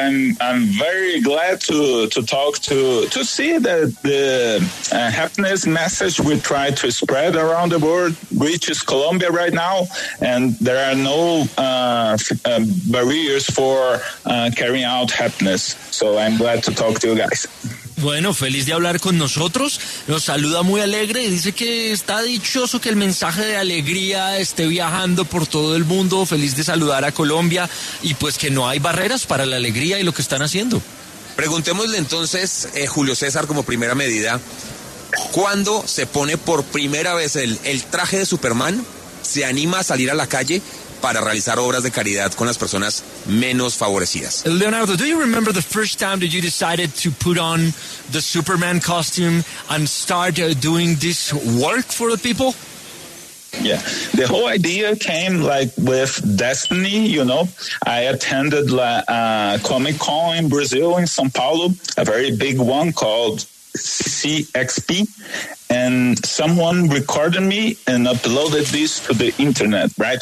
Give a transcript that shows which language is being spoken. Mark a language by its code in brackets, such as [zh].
[en] I'm very glad to talk to see that the happiness message we try to spread around the world reaches Colombia right now, and there are no barriers for carrying out happiness. So I'm glad to talk to you guys. [es] Bueno, feliz de hablar con nosotros. Nos saluda muy alegre y dice que está dichoso que el mensaje de alegría esté viajando por todo el mundo. Feliz de saludar a Colombia y pues que no hay barreras para la alegría y lo que están haciendo. Preguntémosle entonces, Julio César, como primera medida, ¿cuándo se pone por primera vez el traje de Superman? ¿Se anima a salir a la calle para realizar obras de caridad con las personas menos favorecidas? [en] Leonardo, do you remember the first time that you decided to put on the Superman costume and start doing this work for the people? Yeah, the whole idea came like with Destiny, you know. I attended Comic-Con in Brazil, in São Paulo, a very big one called CCXP, and someone recorded me and uploaded this to the internet, right?